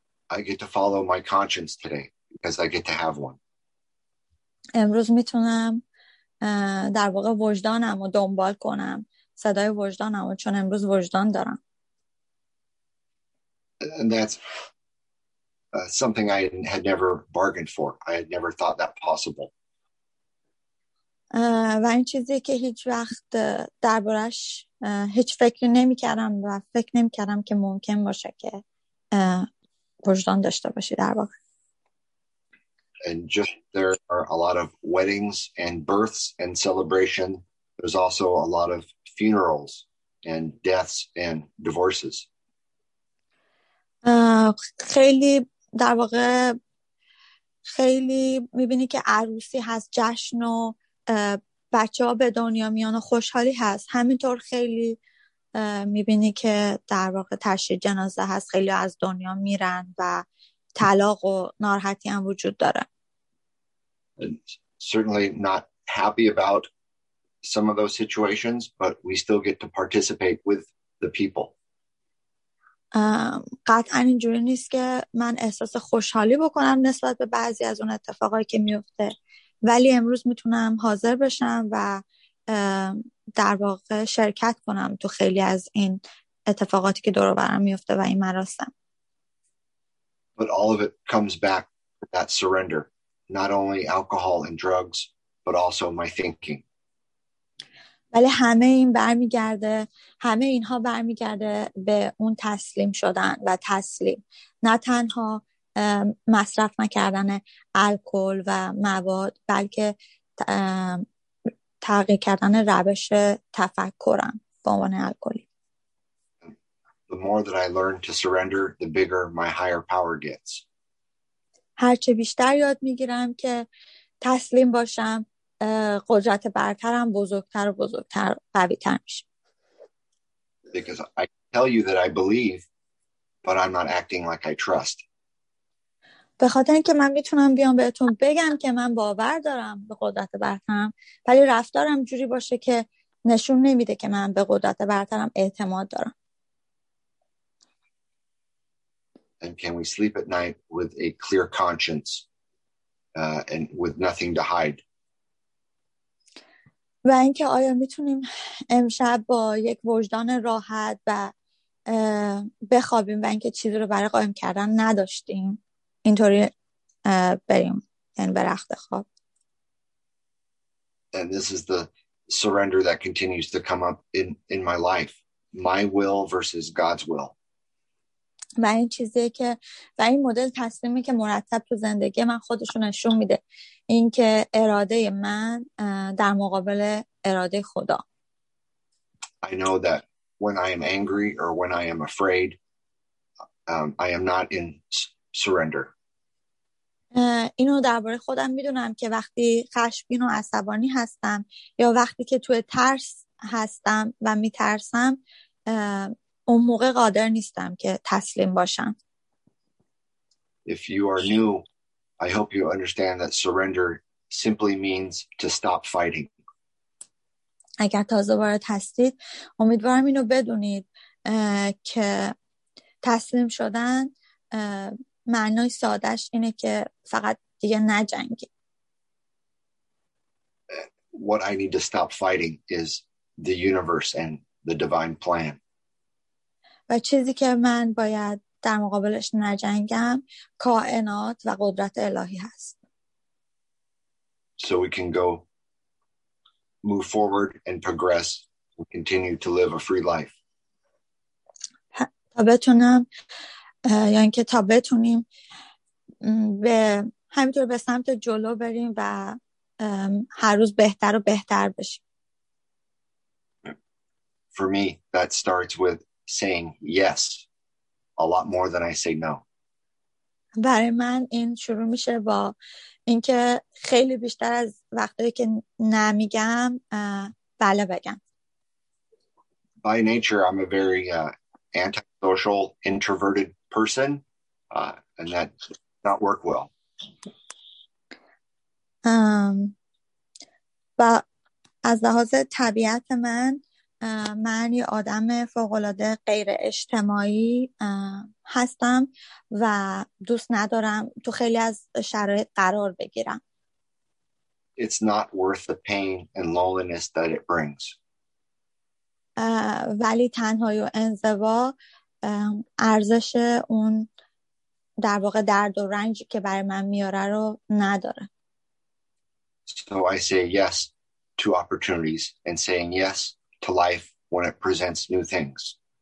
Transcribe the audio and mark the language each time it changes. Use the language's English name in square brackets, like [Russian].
[English] I get to follow my conscience today because I get to have one. [Persian] امروز میتونم در واقع وجدانم رو دنبال کنم، صدای وجدانم رو، چون امروز وجدان دارم. [English] And that's something I had never bargained for. I had never thought that possible. [Persian] و این چیزی که هیچ وقت دربارش هیچ فکری نمی کردم و فکر نمی کردم که ممکن باشه که وجدان داشته باشی در واقع. [English] And just there are a lot of weddings and births and celebration. There's also a lot of funerals and deaths and divorces. [Persian] خیلی در واقع خیلی میبینی که عروسی هست، جشن و بچه‌ها به دنیا میان و خوشحالی هست. همینطور خیلی میبینی که در واقع تشییع جنازه هست، خیلی از دنیا میرن و طلاق و ناراحتی هم وجود داره. [English] And certainly not happy about some of those situations, but we still get to participate with the people. [Persian] قطعا اینجوری نیست که من احساس خوشحالی بکنم نسبت به بعضی از اون اتفاقایی که میفته، ولی امروز میتونم حاضر بشم و در واقع شرکت کنم تو خیلی از این اتفاقاتی که دور و برم میفته و این مراسم. [English] But all of it comes back to that surrender, not only alcohol and drugs, but also my thinking. [Persian] ولی همه این برمیگرده، همه اینها برمیگرده به اون تسلیم شدن و تسلیم، نه تنها مصرف نکردن الکل و مواد، بلکه تغییر کردن روش تفکرم به عنوان الکلی. [English] The more that I learn to surrender, the bigger my higher power gets. [Persian] هرچه بیشتر یاد میگیرم که تسلیم باشم، قدرت برترم بزرگتر و بزرگتر قویتر میشه. [English] Because I tell you that I believe, but I'm not acting like I trust. [Persian] به خاطر اینکه من میتونم بیام بهتون بگم که من باور دارم به قدرت برترم، ولی رفتارم جوری باشه که نشون نمیده که من به قدرت برترم اعتماد دارم. [English] And can we sleep at night with a clear conscience and with nothing to hide? [Persian] و اینکه آیا میتونیم امشب با یک وجدان راحت و بخوابیم و اینکه چیزی رو برای قائم کردن نداشتیم اینطوری بریم، یعنی به رخت خواب. [English] And this is the surrender that continues to come up in my life. My will versus God's will. [Persian] و این چیزی که و این مدل تسلیمی که مرتب تو زندگی من خودشون نشون میده، این که اراده من در مقابل اراده خدا. [English] I know that when I am angry or when I am afraid, I am not in surrender. [Persian] اینو درباره خودم میدونم که وقتی خشمگین و عصبانی هستم یا وقتی که توی ترس هستم و میترسم، اون موقع قادر نیستم که تسلیم باشم. [English] If you are new, I hope you understand that surrender simply means to stop fighting. [Persian] اگر تازه وارد هستید، امیدوارم اینو بدونید که تسلیم شدن معنای سادش اینه که فقط دیگه نجنگید. [English] What I need to stop fighting is the universe and the divine plan. [Persian] و چیزی که من باید در مقابلش نجنگم کائنات و قدرت الهی هست. [English] So we can go move forward and progress and continue to live a free life. [Persian] تا بتونم یعنی که تا بتونیم به همینطور به سمت جلو بریم و هر روز بهتر و بهتر بشیم. [English] For me that starts with saying yes a lot more than I say no. [Persian] برای من این شروع میشه با اینکه خیلی بیشتر از وقتی که نمیگم بله بگم. [English] By nature I'm a very antisocial introverted person and that does not work well. [Persian] با از لحاظ طبیعت من من یه آدم فوق‌العاده غیر اجتماعی هستم و دوست ندارم تو خیلی از شرایط قرار بگیرم. [English] It's not worth the pain and loneliness that it brings. [Persian] ولی تنهایی و انزوا ارزش اون در واقع درد و رنجی که برای من میاره رو نداره. [English] So I say yes to opportunities and saying yes to life when it presents new things.